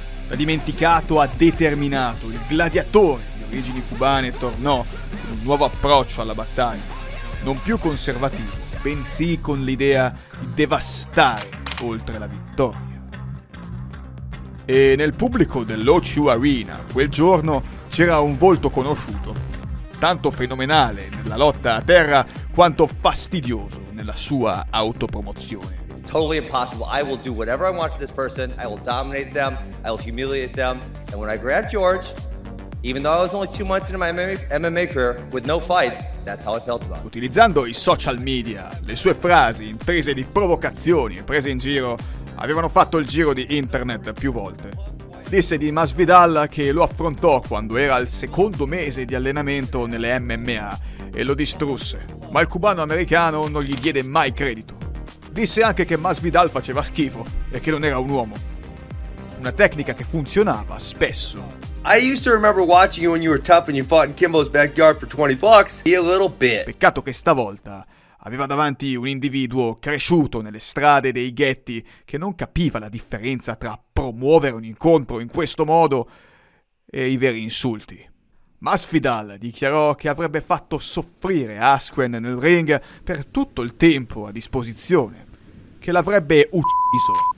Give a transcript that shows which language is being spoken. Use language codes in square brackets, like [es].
[it] Da dimenticato a determinato, il gladiatore di origini cubane tornò con un nuovo approccio alla battaglia, non più conservativo, bensì con l'idea di devastare oltre la vittoria. E nel pubblico dell'O2 Arena quel giorno c'era un volto conosciuto, tanto fenomenale nella lotta a terra quanto fastidioso nella sua autopromozione. [en] It's totally impossible. I will do whatever I want to this person. I will dominate them. I will humiliate them. And when I grabbed George, even though I was only 2 months into my MMA career with no fights, that's how I felt about it. [it] Utilizzando i social media, le sue frasi intrise di provocazioni e prese in giro avevano fatto il giro di internet più volte. Disse di Masvidal che lo affrontò quando era al secondo mese di allenamento nelle MMA e lo distrusse, ma il cubano americano non gli diede mai credito. Disse anche che Masvidal faceva schifo e che non era un uomo. Una tecnica che funzionava spesso. [en] I used to remember watching you when you were tough and you fought in Kimbo's backyard for 20 bucks. Be a little bit. [it] Peccato che stavolta aveva davanti un individuo cresciuto nelle strade dei ghetti che non capiva la differenza tra promuovere un incontro in questo modo e i veri insulti. Masvidal dichiarò che avrebbe fatto soffrire Askren nel ring per tutto il tempo a disposizione, che l'avrebbe ucciso.